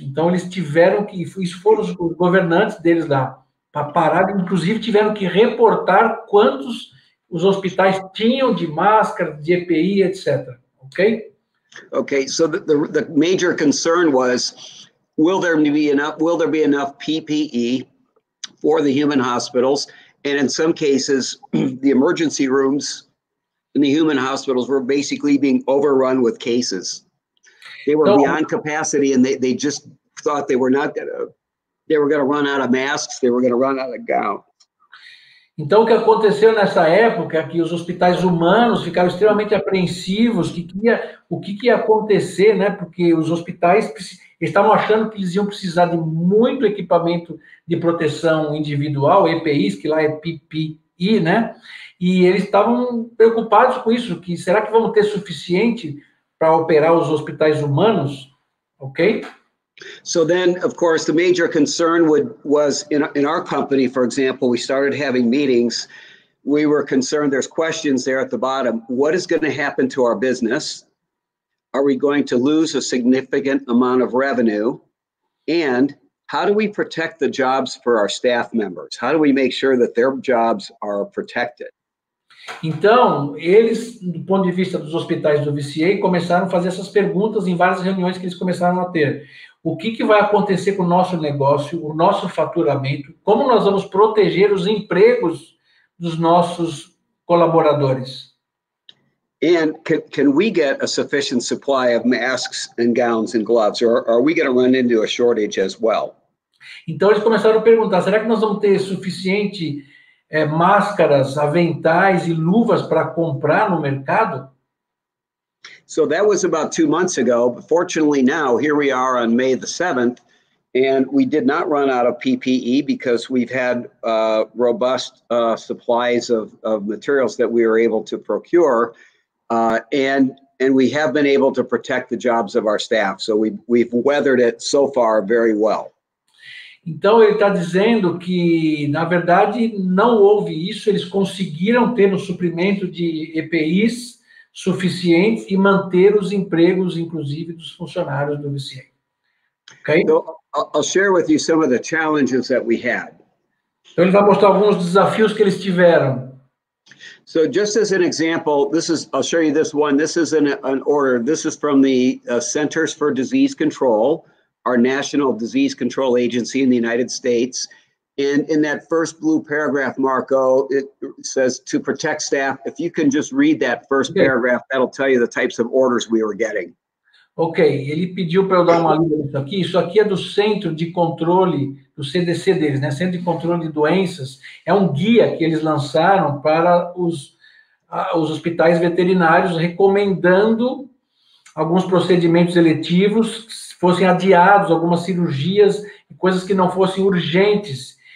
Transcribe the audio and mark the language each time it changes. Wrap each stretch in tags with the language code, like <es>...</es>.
<pt>Então, eles tiveram que, isso foram os governantes deles lá, para parar, inclusive tiveram que reportar quantos os hospitais tinham de máscara, de EPI, etc. Ok?</pt> <en>Ok, so the major concern was, will there be enough PPE for the human hospitals? And in some cases, the emergency rooms in the human hospitals were basically being overrun with cases. They were beyond capacity, and they just thought they were going to run out of masks, they were going to run out of gowns.</en> <pt>Então, o que aconteceu nessa época é que os hospitais humanos ficaram extremamente apreensivos, o que ia acontecer, né? Porque os hospitais estavam achando que eles iam precisar de muito equipamento de proteção individual, EPIs, que lá é PPE, né? E eles estavam preocupados com isso, que será que vamos ter suficiente para operar os hospitais humanos? Ok?</pt> <en>So then, of course, the major concern was in our company, for example, we started having meetings. We were concerned, there's questions there at the bottom. What is going to happen to our business? Are we going to lose a significant amount of revenue? And how do we protect the jobs for our staff members? How do we make sure that their jobs are protected?</en> <pt>Então, eles, do ponto de vista dos hospitais do VCA, começaram a fazer essas perguntas em várias reuniões que eles começaram a ter. O que, que vai acontecer com o nosso negócio, o nosso faturamento? Como nós vamos proteger os empregos dos nossos colaboradores?</pt> <en>And can we get a sufficient supply of masks and gowns and gloves? Or are we going to run into a shortage as well?</en> <pt>Então, eles começaram a perguntar, será que nós vamos ter suficiente máscaras, aventais e luvas para comprar no mercado?</pt> <en>So that was about 2 months ago, but fortunately now, here we are on May the 7th, and we did not run out of PPE because we've had robust supplies of materials that we were able to procure, and we have been able to protect the jobs of our staff. So we've weathered it so far very well.</en> <pt>Então, ele está dizendo que, na verdade, não houve isso. Eles conseguiram ter o suprimento de EPIs suficientes e manter os empregos, inclusive, dos funcionários do VCA. Ok?</pt> <en>So, I'll share with you some of the challenges that we had.</en> <pt>Então, ele vai mostrar alguns desafios que eles tiveram.</pt> <en>So, just as an example, I'll show you this one. This is an order. This is from the Centers for Disease Control, our national disease control agency in the United States. And in that first blue paragraph, Marco, it says to protect staff. If you can just read that first paragraph, that'll tell you the types of orders we were getting.</en> <pt>Okay, ele pediu para eu dar uma lida nisso aqui. Isso aqui é do centro de controle, do CDC deles, né? Centro de controle de doenças. É um guia que eles lançaram para os hospitais veterinários, recomendando alguns procedimentos eletivos fossem adiados, algumas cirurgias e coisas que não fossem urgentes.</pt>